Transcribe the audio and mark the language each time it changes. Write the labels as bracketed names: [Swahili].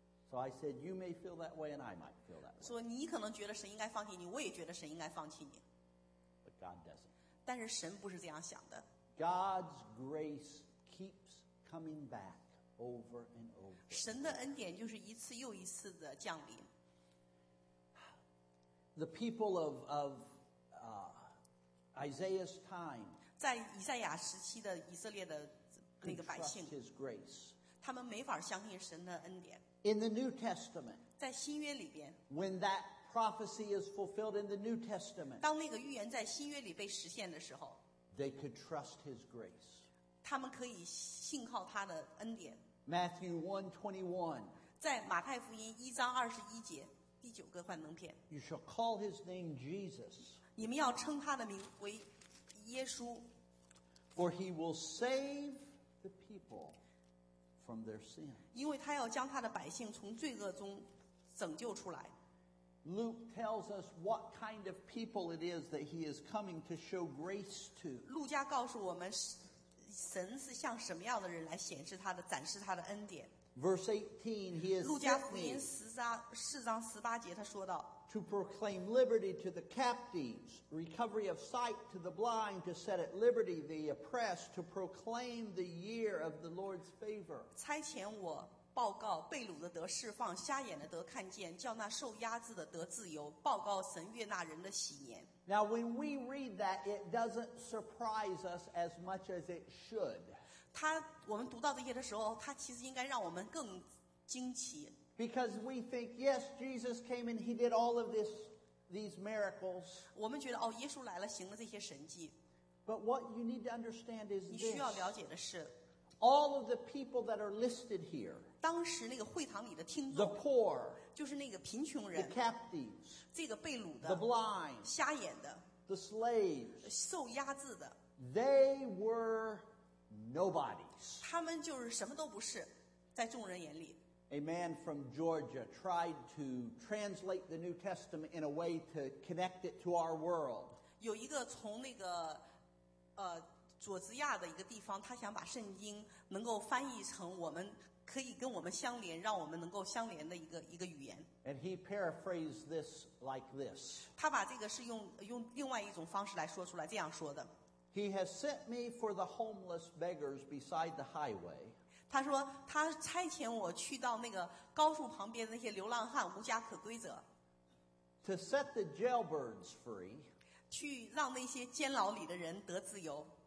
[English] So I said you may feel that way, and I might feel that way. [Chinese] 说你可能觉得神应该放弃你，我也觉得神应该放弃你。 [English] But God doesn't. [Chinese] 但是神不是这样想的。 [English] God's grace keeps coming back. Over and over. [Chinese] 神的恩典就是一次又一次的降临。 [English] The people of Isaiah's time. [Chinese] 在以赛亚时期的以色列的那个百姓。 [English] His grace. [Chinese] 他们没法相信神的恩典。 [English] In the New Testament. [Chinese] 在新约里边。 [English] When that prophecy is fulfilled in the New Testament. [Chinese] 当那个预言在新约里被实现的时候。 [English] They could trust His grace. [Chinese] 他们可以信靠他的恩典。 [English] Matthew 1:21， [Chinese] 在马太福音一章二十一节第九个幻灯片。 [English] You shall call his name Jesus. [Chinese] 你们要称他的名为耶稣。 [English] For he will save the people from their sin. [Chinese] 因为他要将他的百姓从罪恶中拯救出来。 [English] Luke tells us what kind of people it is that he is coming to show grace to. [Chinese] 路加告诉我们。神是向什么样的人来显示他的展示他的恩典 [English] Verse 18 he is [Chinese] 路加福音四章十八节他说道 [English] To proclaim liberty to the captives recovery of sight to the blind to set at liberty the oppressed to proclaim the year of the Lord's favor [Chinese] 差遣我报告被掳的得释放瞎眼的得看见叫那受压制的得自由报告神悦纳人的喜年 [English] Now when we read that it doesn't surprise us as much as it should [Chinese] 他我们读到这些的时候他其实应该让我们更惊奇 [English] Because we think yes Jesus came and he did all of this these miracles [Chinese] 我们觉得哦耶稣来了行了这些神迹 [English] But what you need to understand is this [Chinese] 你需要了解的是 [English] All of the people that are listed here [Chinese] 当时那个会堂里的听众 [English] the poor, [Chinese] 就是那个贫穷人 [English] the captives, [Chinese] 这个被掳的 [English] the blind, [Chinese] 瞎眼的 [English] the slaves, [Chinese] 受压制的 [English] they were nobodies. [Chinese] 他们就是什么都不是在众人眼里 [English] A man from Georgia tried to translate the New Testament in a way to connect it to our world. [Chinese] 有一个从那个佐治亚的一个地方他想把圣经能够翻译成我们可以跟我们相连让我们能够相连的一个语言 [English] And he paraphrased this like this [Chinese] 他把这个是用另外一种方式来说出来这样说的 [English] He has sent me for the homeless beggars beside the highway [Chinese] 他说他差遣我去到那个高速旁边的那些流浪汉无家可归者 [English] To set the jailbirds free [Chinese] 去让那些监牢里的人得自由